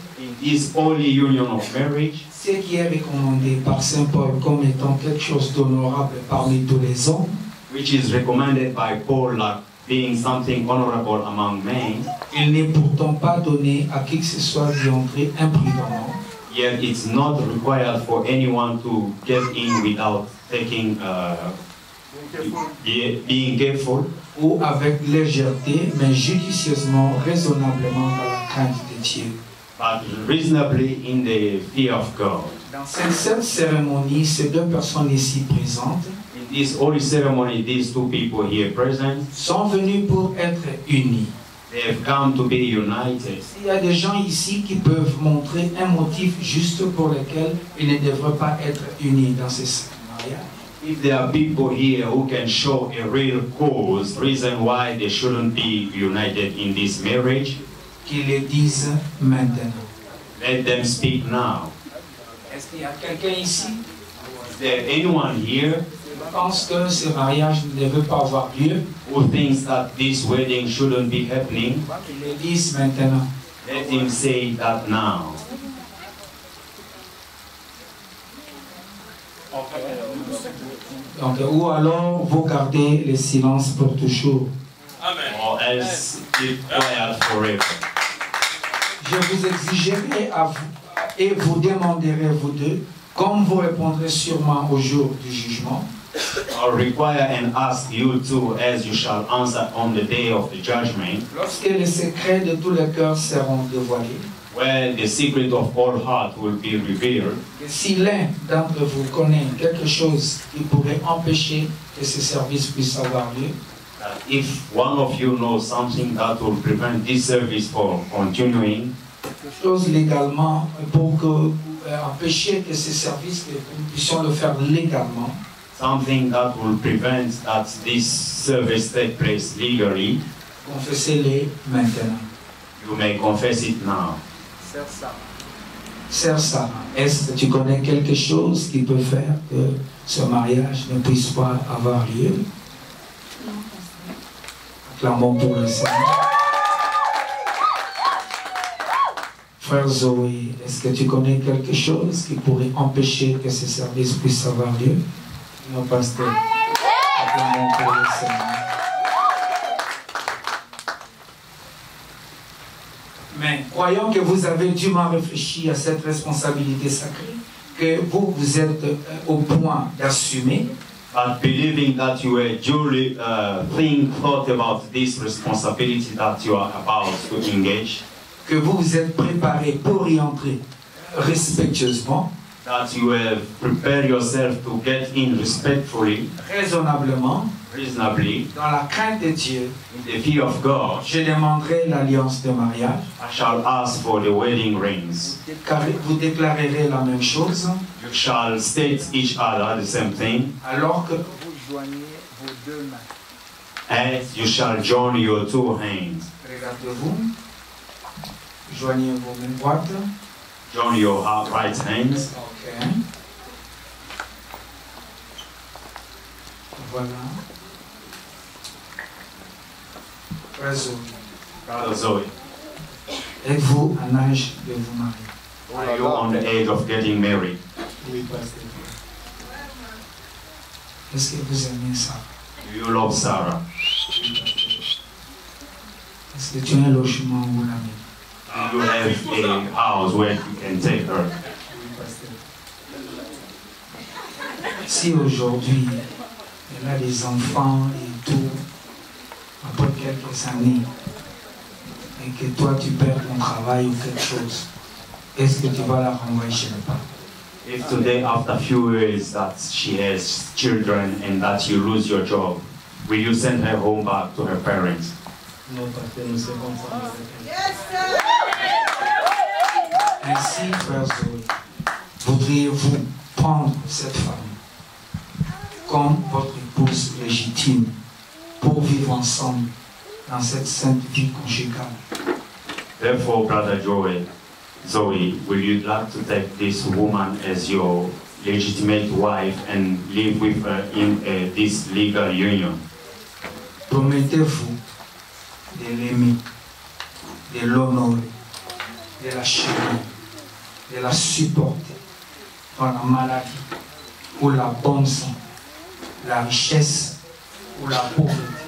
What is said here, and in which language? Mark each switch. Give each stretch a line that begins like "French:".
English: In this holy union of marriage.
French: Ce qui est recommandé par Saint Paul comme étant quelque chose d'honorable parmi tous les hommes.
English: Which is recommended by Paul like being something honorable among men.
French: Il n'est pourtant pas donné à qui que ce soit d'y entrer imprudemment.
English: Yet it's not required for anyone to get in without taking being careful.
French: Ou avec légèreté, mais judicieusement, raisonnablement dans la crainte de Dieu.
English: But reasonably in the fear of God.
French: Dans cette cérémonie, ces deux personnes ici présentes.
English: This holy ceremony, these two people here present,
French: sont venus pour être unis.
English: They have come to be united.
French: Il y a des gens ici qui peuvent montrer un motif juste pour lequel ils ne devraient pas être unis dans ce mariage.
English: If there are people here who can show a real cause, reason why they shouldn't be united in this marriage,
French: qu'ils le disent maintenant.
English: Let them speak now.
French: Est-ce qu'il y a quelqu'un ici?
English: Is there anyone here?
French: Je pense que ce mariage ne veut pas avoir lieu.
English: Who thinks that this wedding shouldn't be happening?
French: Il le dit maintenant.
English: Let him say that now.
French: Donc, ou alors vous gardez le silence pour toujours.
English: Amen. Or else keep quiet forever.
French: Je vous exigerai à vous et vous demanderai vous deux, comme vous répondrez sûrement au jour du jugement.
English: Or require and ask you too, as you shall answer on the day of the judgment.
French: Lorsque les secrets de tous les cœurs seront dévoilés.
English: Where the secret of all heart will be revealed.
French: Si l'un d'entre vous connaît quelque chose qui pourrait empêcher que ce service puisse avoir lieu.
English: If one of you knows something that will prevent this service from continuing.
French: Quelque chose légalement pour que empêcher que ce service puissions le faire légalement.
English: Something that will prevent that this service take place legally.
French: Confessez-le maintenant.
English: You may confess it now.
French: Sœur Sarah, est-ce que tu connais quelque chose qui peut faire que ce mariage ne puisse pas avoir lieu? Acclamons pour le Seigneur. Frère Zoé, est-ce que tu connais quelque chose qui pourrait empêcher que ce service puisse avoir lieu? Non, pasteur. Acclamons pour le Seigneur. Mais croyons que vous avez dûment réfléchi à cette responsabilité sacrée, que vous vous êtes au point d'assumer.
English: But believing that you are duly thought about this responsibility that you are about to engage.
French: Que vous vous êtes préparé pour y entrer respectueusement.
English: That you have prepared yourself to get in respectfully.
French: Raisonnablement.
English: Reasonably,
French: dans la crainte de Dieu,
English: in the fear of God,
French: je demanderai l'alliance de mariage.
English: I shall ask for the wedding rings.
French: Vous déclarerez la même chose.
English: You shall state each other the same thing.
French: Alors que vous joignez vos deux mains.
English: And you shall join your two hands.
French: Regardez-vous. Joignez vos mains droites.
English: Join your right hands. Okay. Voilà. Brother Zoe.
French: Êtes-vous en âge de vous marier?
English: Are you on the age of getting married?
French: Oui, pasteur. Est-ce que vous aimez Sarah?
English: Do you love Sarah?
French: Oui, est-ce que tu as un logement où la mettre?
English: Do you have a house where you can take her?
French: Oui, pasteur. Si aujourd'hui elle a des enfants et tout, après quelques années, et que toi tu perds ton travail ou quelque chose, est-ce que tu vas la renvoyer chez le père?
English: If today after a few years that she has children and that you lose your job, will you send her home back to her parents?
French: Non, parce que nous sommes pas.
English: Yes, sir.
French: Ainsi, frère Zoé, voudriez-vous prendre cette femme comme votre épouse légitime? Pour vivre ensemble dans cette sainte vie conjugale.
English: Therefore, Brother Zoe, will you like to take this woman as your legitimate wife and live with her in this legal union?
French: Promettez-vous de l'aimer, de l'honorer, de la chérir, de la supporter dans la maladie ou la bonne santé, la richesse ou la pauvreté.